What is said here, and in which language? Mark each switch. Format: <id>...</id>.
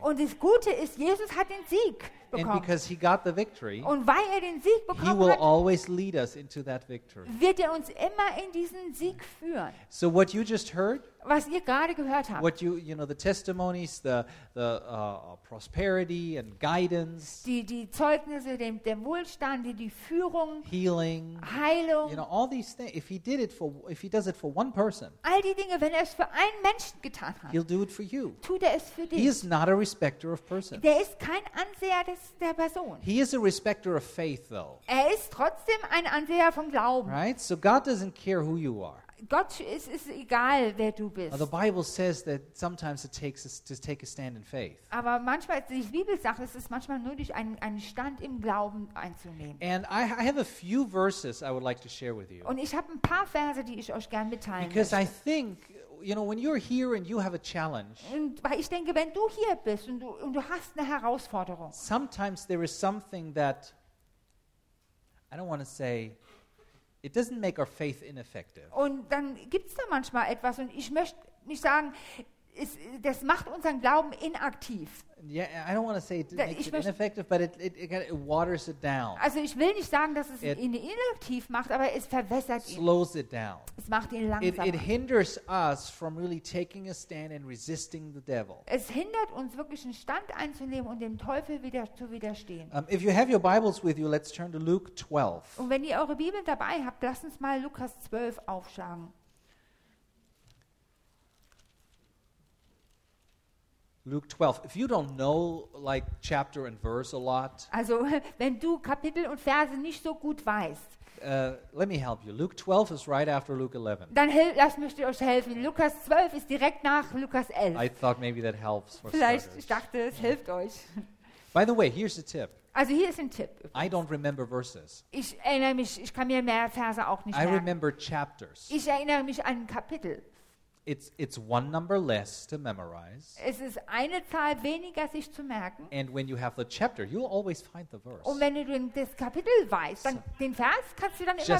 <de>Und das Gute ist, Jesus hat den Sieg bekommen.</de> <en>And because he got the victory,</en> <de>und weil er den Sieg bekommen</de> <en>he will</en> <de>hat,</de> <en>always lead us into that victory.</en> <de>Wird er uns immer in diesen Sieg führen.</de> <en>So what you just heard,</en> <de>was ihr gerade gehört habt.</de> <en>What you know, the testimonies, the prosperity and guidance.</en> <de>Die Zeugnisse, der Wohlstand, die Führung.</de> <en>Healing.</en> <de>Heilung.</de> <en>You know, all these things. If he does it for one person.</en> <de>All die Dinge, wenn er es für einen Menschen getan hat.</de> <en>He'll do it for you.</en> <de>Tut er es für dich.</de> <en>He is not a respecter of persons.</en> <de>Der ist kein Anseher der Person.</de> <en>He is a respecter of faith, though.</en> <de>Er ist trotzdem ein Anseher vom Glauben.</de> <en>Right? So God doesn't care who you are.</en> <de>Gott, es ist egal, wer du bist.</de> <en>The Bible says that sometimes it takes us to take a stand in faith.</en> <de>Aber manchmal, die Bibel sagt, es ist manchmal nötig, einen Stand im Glauben einzunehmen.</de> <en>And I have a few verses I would like to share with you.</en> <de>Und ich habe ein paar Verse, die ich euch gerne mitteilen</de> <en>Because</en> <de>möchte.</de> <en>I think, you know, when you're here and you have a challenge.</en> <de>Und weil ich denke, wenn du hier bist und du hast eine Herausforderung.</de> <en>Sometimes there is something that I don't want to say. It doesn't make our faith ineffective.</en> <de>Und dann gibt's da manchmal etwas und ich möchte nicht sagen, das macht unseren Glauben inaktiv.</de> <en>Yeah, I don't want to say it makes it ineffective, but it waters it down.</en> <de>Also ich will nicht sagen, dass es ihn inaktiv macht, aber es verwässert ihn.</de> <en>Slows it down.</en> <de>Es macht ihn langsamer.</de> <en>It hinders us from really taking a stand and resisting the devil.</en> <de>Es hindert uns wirklich, einen Stand einzunehmen und dem Teufel wieder zu widerstehen.</de> <en>If you have your Bibles with you, let's turn to Luke 12.</en> <de>Und wenn ihr eure Bibeln dabei habt, lasst uns mal Lukas 12 aufschlagen.</de> <en>Luke 12. If you don't know like chapter and verse a lot.</en> <de>Also, wenn du Kapitel und Verse nicht so gut weißt.</de> <en>Let me help you. Luke 12 is right after Luke 11.</en> <de>Dann lass mich euch helfen. Lukas 12 ist direkt nach Lukas 11.</de> <en>I thought maybe that helps.</en> <de>Vielleicht ich dachte, es hilft euch.</de> <en>By the way, here's a tip.</en> <de>Also hier ist ein Tipp.</de> <en>I don't remember verses.</en> <de>Ich erinnere mich, ich kann mir mehr Verse auch nicht merken.</de> <en>I remember chapters.</en> <de>Ich erinnere mich an Kapitel.</de> <en>It's one number less to memorize.</en> <de>Es ist eine Zahl weniger, sich zu merken.</de> <en>And when you have the chapter, you'll always find the verse.</en> <de>Und wenn du das Kapitel weißt, dann den Vers kannst du dann immer</de>